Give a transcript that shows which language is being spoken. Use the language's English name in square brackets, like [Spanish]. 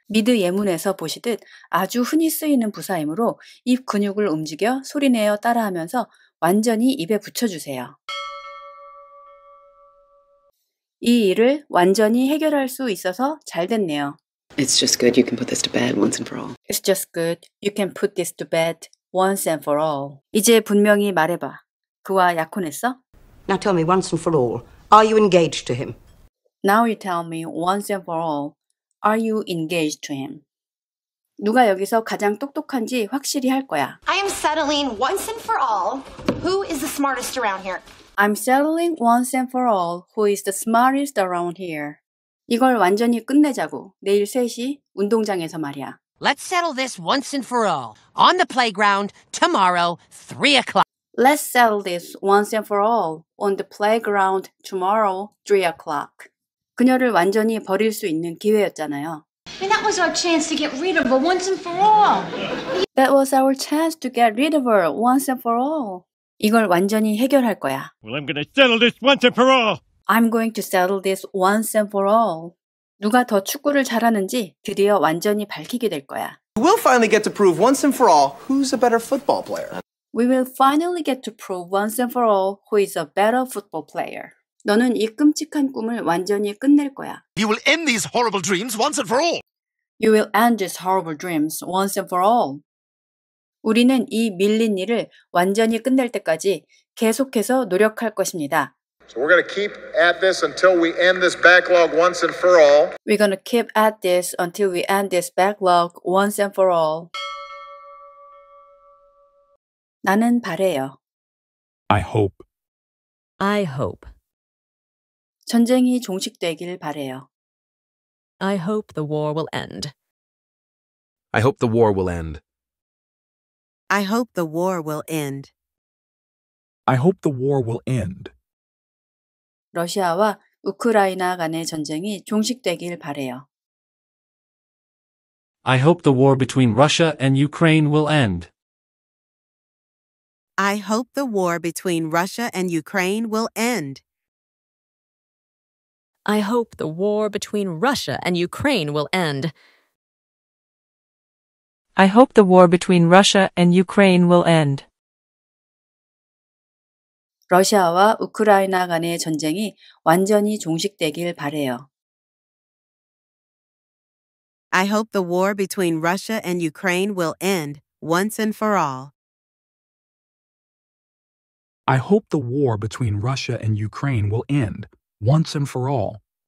[Korean] 미드 예문에서 보시듯 아주 흔히 쓰이는 부사이므로 입 근육을 움직여 소리 내어 따라 하면서 완전히 입에 붙여주세요. 이 일을 완전히 해결할 수 있어서 잘 됐네요. [English] It's just good you can put this to bed once and for all. It's just good you can put this to bed once and for all. [Korean] 이제 분명히 말해봐. 그와 약혼했어? [English] Now tell me once and for all, are you engaged to him? Now you tell me once and for all, are you engaged to him? [Korean] 누가 여기서 가장 똑똑한지 확실히 할 거야. [English] I am settling once and for all. Who is the smartest around here? I'm settling once and for all. Who is the smartest around here? [Korean] 이걸 완전히 끝내자고. 내일 3시 운동장에서 말이야. [English] Let's settle this once and for all on the playground tomorrow, 3 o'clock. Let's settle this once and for all on the playground tomorrow, 3 o'clock. [Korean] 그녀를 완전히 버릴 수 있는 기회였잖아요. [English] And that was our chance to get rid of her once and for all. That was our chance to get rid of her once and for all. [Korean] 이걸 완전히 해결할 거야. [English] Well, I'm gonna settle this once and for all. I'm going to settle this once and for all. [Korean] 누가 더 축구를 잘하는지 드디어 완전히 밝히게 될 거야. [English] We'll finally get to prove once and for all who's a better football player. We will finally get to prove once and for all who is a better football player. [Korean] 너는 이 끔찍한 꿈을 완전히 끝낼 거야. [English] You will end these horrible dreams once and for all. You will end these horrible dreams once and for all. [Korean] 우리는 이 밀린 일을 완전히 끝낼 때까지 계속해서 노력할 것입니다. [English] So we're going to keep at this until we end this backlog once and for all. We're going to keep at this until we end this backlog once and for all. [Korean] 나는 바래요. [English] I hope. I hope. [Korean] 전쟁이 종식되길 바래요. [English] I hope the war will end. I hope the war will end. I hope the war will end. I hope the war will end. [Korean] 러시아와 우크라이나 간의 전쟁이 종식되길 바래요. [English] I hope the war between Russia and Ukraine will end. I hope the war between Russia and Ukraine will end. I hope the war between Russia and Ukraine will end. I hope the war between Russia and Ukraine will end. [Korean] 러시아와 우크라이나 간의 전쟁이 완전히 종식되길 바래요. [English] I hope the war between Russia and Ukraine will end once and for all. I hope the war between Russia and Ukraine will end once and for all.